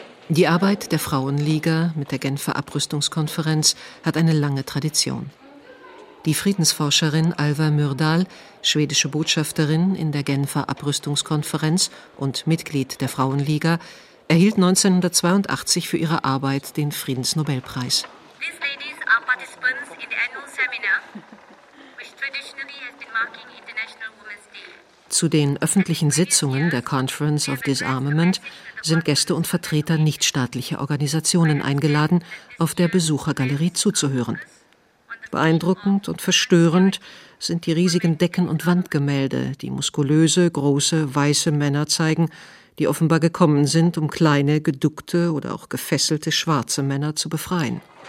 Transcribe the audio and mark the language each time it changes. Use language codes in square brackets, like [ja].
[de] Die Arbeit der Frauenliga mit der Genfer Abrüstungskonferenz hat eine lange Tradition. Die Friedensforscherin Alva Myrdal, schwedische Botschafterin in der Genfer Abrüstungskonferenz und Mitglied der Frauenliga, erhielt 1982 für ihre Arbeit den Friedensnobelpreis. [en] These ladies are participants in the annual seminar, which traditionally has been marking International Women's Day. [de] Zu den öffentlichen Sitzungen der Conference of Disarmament sind Gäste und Vertreter nichtstaatlicher Organisationen eingeladen, auf der Besuchergalerie zuzuhören. Beeindruckend und verstörend sind die riesigen Decken und Wandgemälde, die muskulöse, große, weiße Männer zeigen, die offenbar gekommen sind, um kleine, geduckte oder auch gefesselte schwarze Männer zu befreien.